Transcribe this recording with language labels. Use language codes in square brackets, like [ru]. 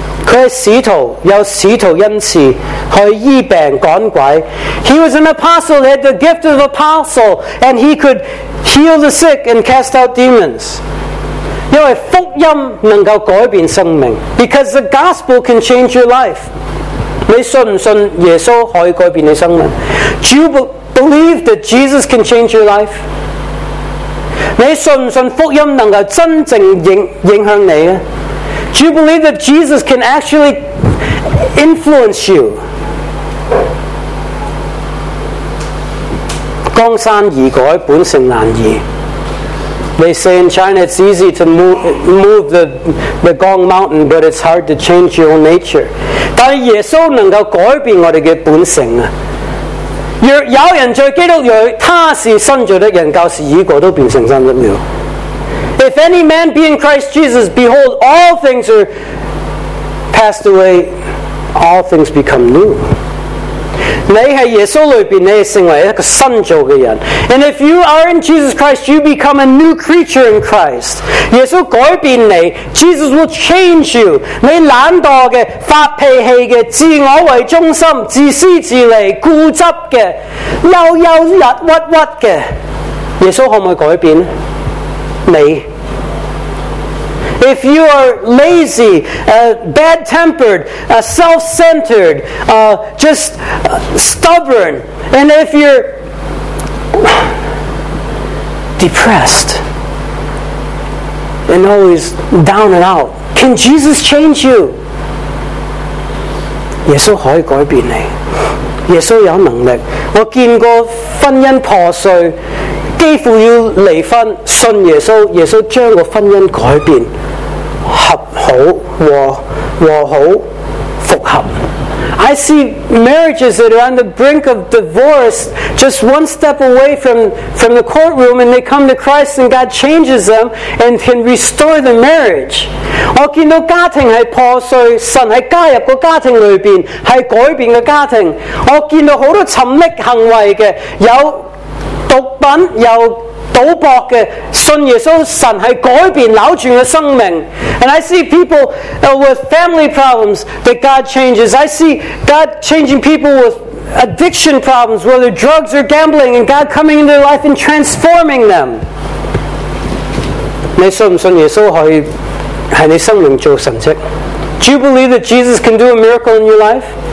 [zh] 他是使徒，有使徒恩赐去医病赶鬼。 [en] He was an apostle, had the gift of apostle, and he could heal the sick and cast out demons. [zh] 因为福音能够改变生命， [en] because the gospel can change your life. [zh] 你信不信耶稣可以改变你生命？ [en] Do you believe that Jesus can change your life? [zh] 你信不信福音能够真正影响你？ [en] Do you believe that Jesus can actually influence you? [zh] 江山易改，本性难移。 [en] They say in China it's easy to move the Gong Mountain, but it's hard to change your own nature. [zh] 但耶稣能够改变我们的本性。有人在基督里，他是新造的人，旧事已过，都变成新的了。 [en] If any man be in Christ Jesus, behold, all things are passed away, all things become new. [zh] 你在耶稣里面，你成为一个新造的人。 [en] And if you are in Jesus Christ, you become a new creature in Christ. [zh] 耶稣改变你， [en] Jesus will change you. [zh] 你懒惰的、发脾气的、自我为中心、自私自利、固执的、忧忧郁郁郁的，耶稣可不可以改变你？ [en] If you are lazy, bad-tempered, self-centered, just stubborn, and if you're depressed and always down and out, can Jesus change you? [zh] 耶稣可以改变你，耶稣有能力。我见过婚姻破碎，几乎要离婚，信耶稣，耶稣将个婚姻改变。合好和好复合。 [en] I see marriages that are on the brink of divorce, just one step away from the courtroom, and they come to Christ and God changes them and can restore the marriage. [zh] 我见到家庭是破碎，神在加入的家庭里面是改变的家庭。我见到很多沉溺行为的，有毒品，有赌博的，信耶稣，神是改变扭转的生命。 [en] And I see people with family problems that God changes. I see God changing people with addiction problems, whether drugs or gambling, and God coming into their life and transforming them. [zh] 你信不信耶稣可以 [en] Do you believe that Jesus can do a miracle in your life?